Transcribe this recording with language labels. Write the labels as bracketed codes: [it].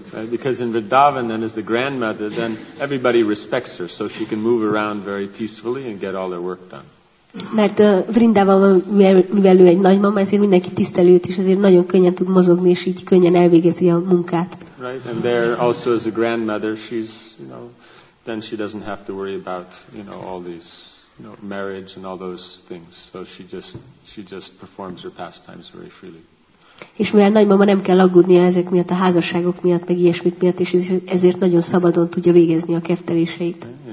[en] Because in Vrindavan, then, as the grandmother, then everybody respects her, so she can move around very peacefully and get all her work done. [hu] Mert Vrindavanban, mivel ő egy nagymama, ezért mindenki tiszteli őt, és ezért nagyon könnyen tud mozogni, és így könnyen elvégezi a munkát. [en] Right, and there also as a grandmother, she's, you know, then she doesn't have to worry about, you know, all these, you know, marriage and all those things. So she just performs her pastimes very freely. [hu] És mivel nagymama nem kell aggódnia ezek miatt, a házasságok miatt, meg ilyesmik miatt, és ezért nagyon szabadon tudja végezni a kefteléseit.